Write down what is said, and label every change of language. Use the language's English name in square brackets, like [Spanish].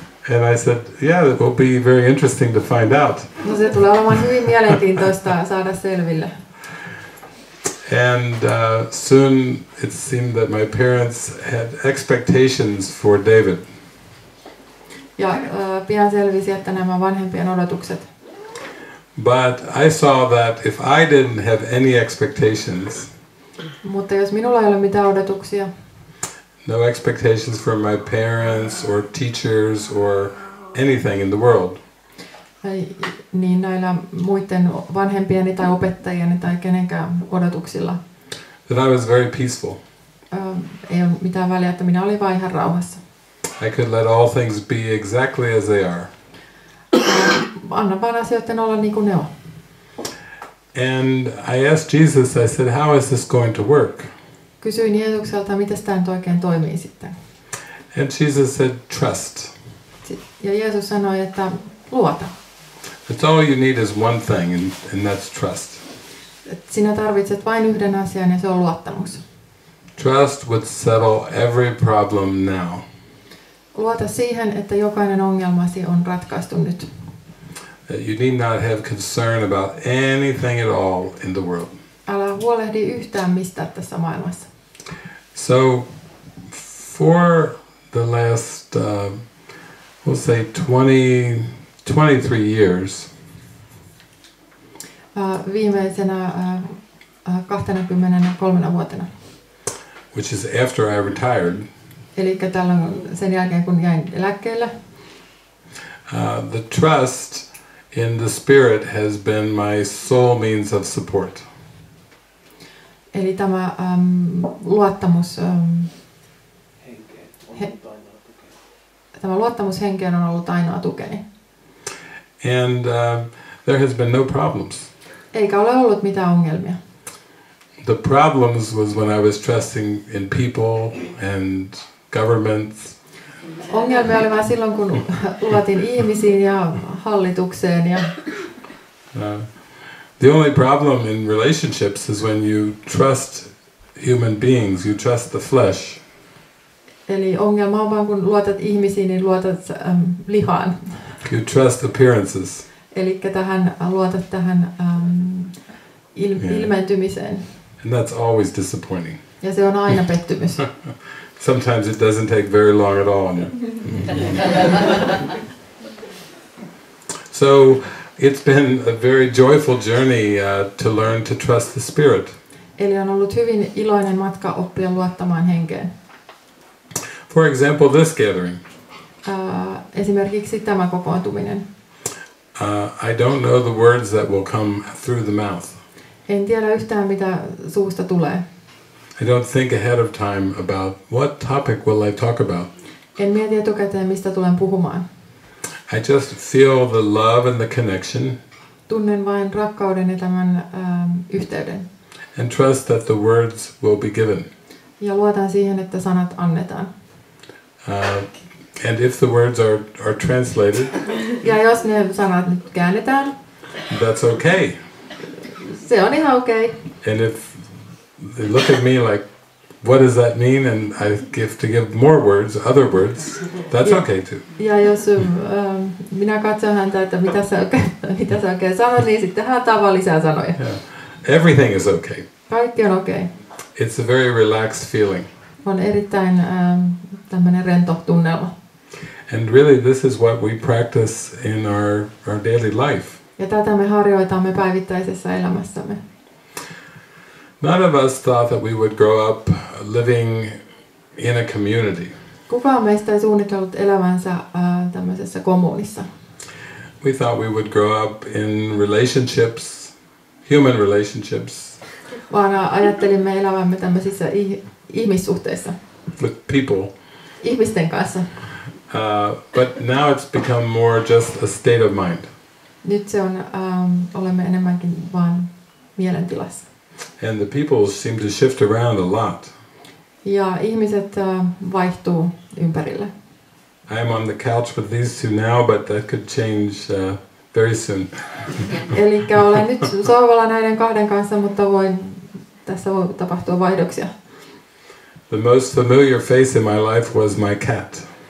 [English] And I said, yeah, it will be very interesting to find out. [Finnish] No, se tulee olemaan hyvin mielenkiintoista saada selville. [English] And soon it seemed that my parents had expectations for David. [Finnish] Ja pian selvisi, että nämä vanhempien odotukset. [English] But I saw that if I didn't have any expectations. [Finnish] Mutta jos minulla ei ole mitään odotuksia. [English] No expectations for my parents or teachers or anything in the world. [Finnish] Niin näillä muiden vanhempieni tai opettajieni tai kenenkään odotuksilla. [English] That I was very peaceful. [Finnish] Ei ole mitään väliä, että minä olin vain ihan rauhassa. [English] I could let all things be exactly as they are. [Finnish] Anna vaan asioiden olla niin kuin ne on. [English] And I asked Jesus, I said, how is this going to work? [Finnish] Kysyin Jeesukselta, miten tämä nyt oikein toimii sitten. [English] And Jesus said, trust. [Finnish] Ja Jeesus sanoi, että luota. [English] It's all you need is one thing, and that's trust. [Finnish] Sinä tarvitset vain yhden asian, ja se on luottamus. [English] Trust would settle every problem now. [Finnish] Luota siihen, että jokainen ongelmasi on ratkaistu nyt. [English] You need not have concern about anything at all in the world. [Finnish] Älä huolehdi yhtään mistään tässä maailmassa. [English] So for the last we'll say 23 years. [Finnish] Viimeisenä 23 vuotena. [English] Which is after I retired. [Finnish] Eli tällöin sen jälkeen kun jäin eläkkeelle. [English] The trust in the spirit has been my sole means of support. [Finnish] Eli tämä luottamus henkeen on ollut ainoa tukeni. [English] And there has been no problems. [Finnish] Eikä ole ollut mitään ongelmia. [English] The problems was when I was trusting in people and governments. [Finnish] Ongelmia oli vain silloin kun luotin ihmisiin ja hallitukseen ja [English] the only problem in relationships is when you trust human beings, you trust the flesh. [Finnish] Eli ongelma on vaan kun luotat ihmisiin, niin luotat lihaan. [English] You trust appearances. [Finnish] Eli tähän luotat tähän ilmentymiseen. [English] And that's always disappointing. [Finnish] Ja se on aina pettymys. [English] Sometimes it doesn't take very long at all. So it's been a very joyful journey to learn to trust the Spirit. [Finnish] Eli on ollut hyvin iloinen matka oppia luottamaan henkeen. [English] For example, this gathering. [Finnish] Esimerkiksi tämä kokoontuminen. [English] I don't know the words that will come through the mouth. [Finnish] En tiedä yhtään mitä suusta tulee. [English] I don't think ahead of time about what topic will I talk about. [Finnish] En mieti etukäteen mistä tulen puhumaan. [English] I just feel the love and the connection. [Finnish] Tunnen vain rakkauden ja tämän yhteyden. [English] And trust that the words will be given. [Finnish] Ja luotan siihen, että sanat annetaan. [English] And if the words are translated. [Finnish] Ja jos ne sanat käännetään. [English] That's okay. [Finnish] Se on ihan okay. [English] And if they look at me like, what does that mean? And I give to give more words, other words. That's okay too. [Finnish] Ja jos minä katson häntä, että mitä sä oikein sanoit, niin sitten hän tavaa lisää sanoja. [English] Everything is okay. [Finnish] Kaikki on okay. [English] It's a very relaxed feeling. [Finnish] On erittäin tämmöinen rento tunnelma. [English] And really, this is what we practice in our daily life. [Finnish] Ja tätä me harjoitamme päivittäisessä elämässämme. [English] None of us thought that we would grow up living in a community. [Finnish] Kukaan meistä ei suunnitellut elämänsä tämmöisessä kommunissa. [English] We thought we would grow up in relationships, human relationships. [Finnish] Vaan ajattelimme elävämme tämmöisissä ihmissuhteissa. [English] With people. [Finnish] Ihmisten kanssa. [English] But now it's become more just a state of mind. [Finnish] Nyt se on, olemme enemmänkin vaan mielentilassa. [English] And the people seem to shift around a lot. [Finnish] Ja ihmiset vaihtuu ympärille. [English] I am on the couch with these two now, but that could change very soon. [Finnish] Elikkä olen nyt sohvalla näiden kahden kanssa, mutta voin tässä voi tapahtua vaihdoksia. [English] The most familiar face in my life was my cat.